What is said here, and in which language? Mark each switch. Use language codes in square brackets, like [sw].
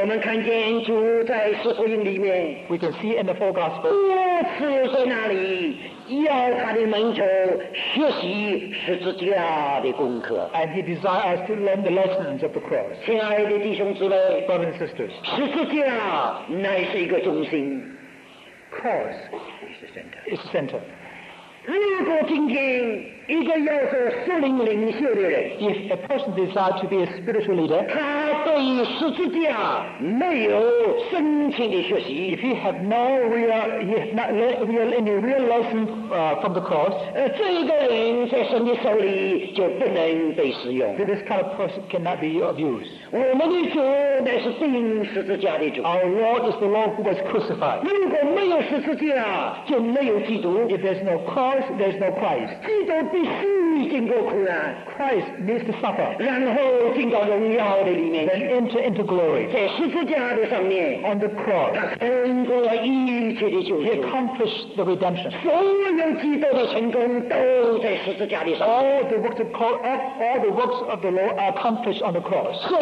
[zh] 我们看见主在四福音里面, [en] we can see in the four Gospels, [zh] 多次在那里, 要他的门徒学习十字架的功课, [en] and he desires us to learn the lessons of the cross. [zh] 亲爱的弟兄姊妹, [en] brothers and sisters, [zh] 十字架乃是一个中心, [en] cross is the center. [zh] 如果今天一个要做属灵领袖的人, [en] if a person desires to be a spiritual leader, [zh] 他对十字架没有深情的学习, [en] if he have no real lesson from the cross, [zh] 这一个人在神的手里就不能被使用, [en] this kind of person cannot be of use. [zh] 我们的主乃是钉十字架的主, [en] our Lord is the Lord who was crucified. [zh] 如果没有十字架就没有基督, [en] if there's no cross, there's no Christ. [zh] 基督必须经过苦难, [en] Christ needs to suffer, [zh] 然后进到荣耀的里面, [en] then enter into glory. [zh] 在十字架的上面, [en] on the cross, [zh] 他成功了一切的救赎, [en] he accomplished the redemption. [zh] 所有基督的成功都在十字架的上面, [en] all the works of the Lord are accomplished on the cross.